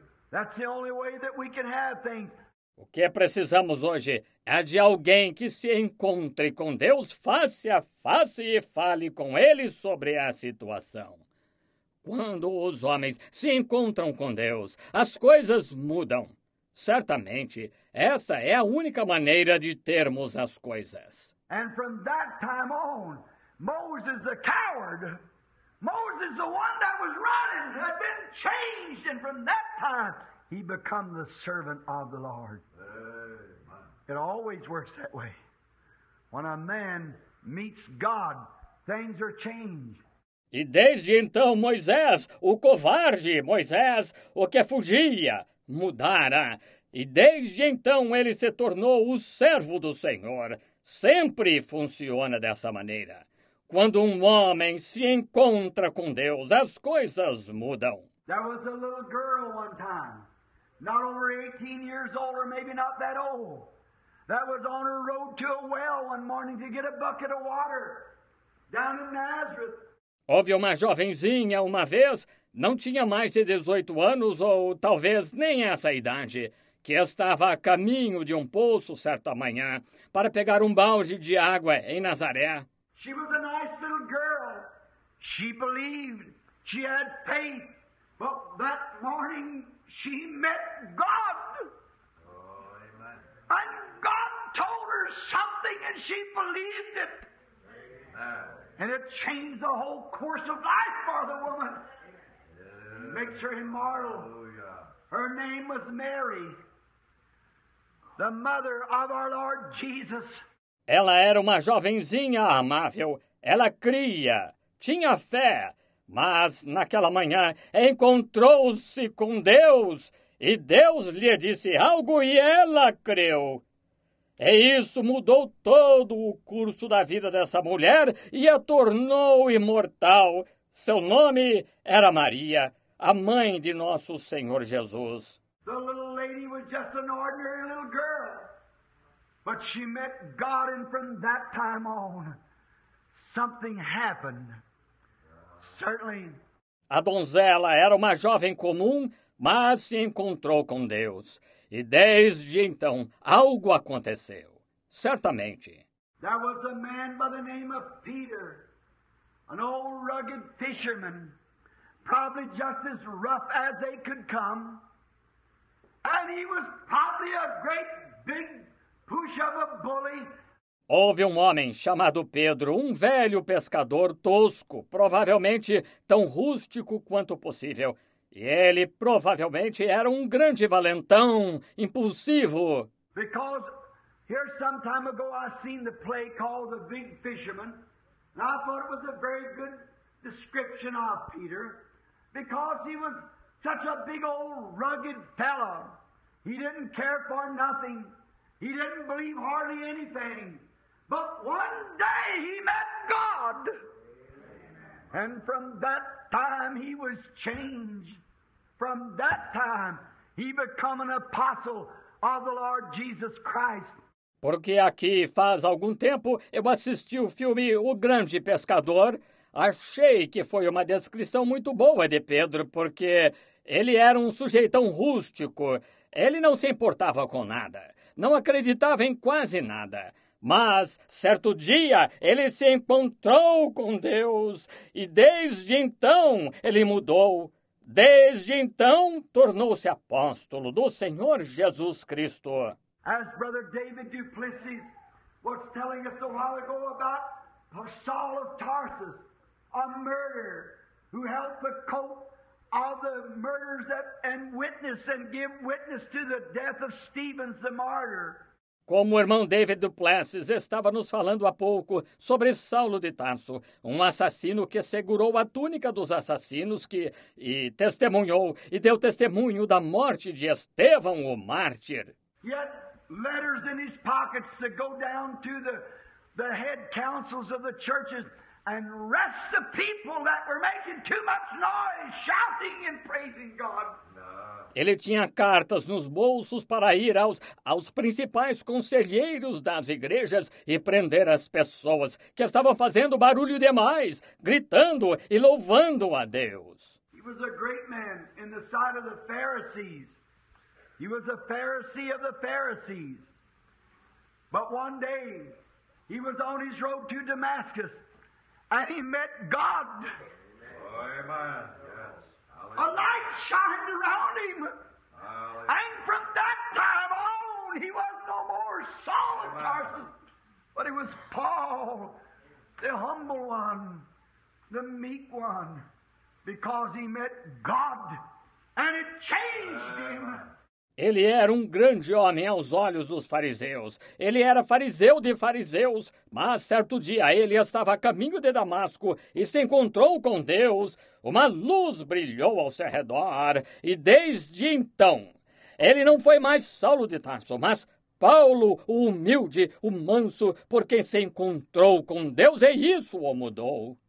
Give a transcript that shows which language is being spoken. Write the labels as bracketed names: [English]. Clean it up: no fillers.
[English] That's the only way that we can have things. [Portuguese] O que precisamos hoje é de alguém que se encontre com Deus face a face e fale com Ele sobre a situação. Quando os homens se encontram com Deus, as coisas mudam. Certamente, essa é a única maneira de termos as coisas. [English] And from that time on, Moses the coward, Moses the one that was running, had been changed, and from that time, he became the servant of the Lord. It always works that way. When a man meets God, things are changed. [Portuguese] E desde então, Moisés, o covarde, Moisés, o que fugia, mudara. E desde então, ele se tornou o servo do Senhor. Sempre funciona dessa maneira. Quando um homem se encontra com Deus, as coisas mudam. [English] There was a little girl one time, not over 18 years old, or maybe not that old, that was on her road to a well one morning to get a bucket of water down in Nazareth. [Portuguese] Houve uma jovenzinha uma vez, não tinha mais de 18 anos ou talvez nem essa idade, que estava a caminho de um poço certa manhã para pegar um balde de água em Nazaré. [English] She was a nice little girl. She believed. She had faith. But that morning she met God. Oh, amen. And God told her something and she believed it. And it changed the whole course of life for the woman. Yeah. Makes her immortal. Hallelujah. Her name was Mary, the mother of our Lord Jesus. [Portuguese] Ela era uma jovenzinha amável. Ela cria, tinha fé, mas naquela manhã encontrou-se com Deus e Deus lhe disse algo e ela creu. E isso mudou todo o curso da vida dessa mulher e a tornou imortal. Seu nome era Maria, a mãe de nosso Senhor Jesus. [English] The little lady was just an ordinary little girl. But she met God, and from that time on, something happened. Certainly. [Portuguese] A donzela era uma jovem comum, mas se encontrou com Deus. E desde então, algo aconteceu. Certamente. [English] There was a man by the name of Peter, an old rugged fisherman, probably just as rough as they could come. And he was probably a great big push of a bully. [Portuguese] Houve um homem chamado Pedro, um velho pescador tosco, provavelmente tão rústico quanto possível. E ele provavelmente era um grande valentão, impulsivo. [English] Because here some time ago I seen the play called The Big Fisherman, and I thought it was a very good description of Peter, because he was such a big old rugged fellow. He didn't care for nothing. He didn't believe hardly anything. But one day he met God. And from that time he was changed. From that time, he became an apostle of the Lord Jesus Christ. [Portuguese] Porque aqui faz algum tempo eu assisti o filme O Grande Pescador. Achei que foi uma descrição muito boa de Pedro, porque ele era um sujeitão rústico. Ele não se importava com nada, não acreditava em quase nada. Mas, certo dia, ele se encontrou com Deus e desde então ele mudou. Desde então, tornou-se apóstolo do Senhor Jesus Cristo. [English] As Brother David Duplessis was telling us a while ago about Saul of Tarsus, a murderer who held the coat of the murderers that, and witness and give witness to the death of Stephen the martyr. [Portuguese] Como o irmão David Duplessis estava nos falando há pouco sobre Saulo de Tarso, um assassino que segurou a túnica dos assassinos e testemunhou e deu testemunho da morte de Estevão, o mártir. [English] He had letters in his pockets to go down to the head councils of the churches and arrest the people that were making too much noise, shouting and praising God. No. [Portuguese] Ele tinha cartas nos bolsos para ir aos principais conselheiros das igrejas e prender as pessoas que estavam fazendo barulho demais, gritando e louvando a Deus. [English] He was a great man in the sight of the Pharisees. He was a Pharisee of the Pharisees. But one day, he was on his road to Damascus, and he met God. Amen. Yes. A light shined around him. Hallelujah. And from that time on, he was no more Saul of Tarsus, but he was Paul, the humble one, the meek one, because he met God, and it changed him. [Portuguese] Ele era um grande homem aos olhos dos fariseus. Ele era fariseu de fariseus, mas certo dia ele estava a caminho de Damasco e se encontrou com Deus. Uma luz brilhou ao seu redor e desde então ele não foi mais Saulo de Tarso, mas Paulo, o humilde, o manso, porque se encontrou com Deus e isso o mudou.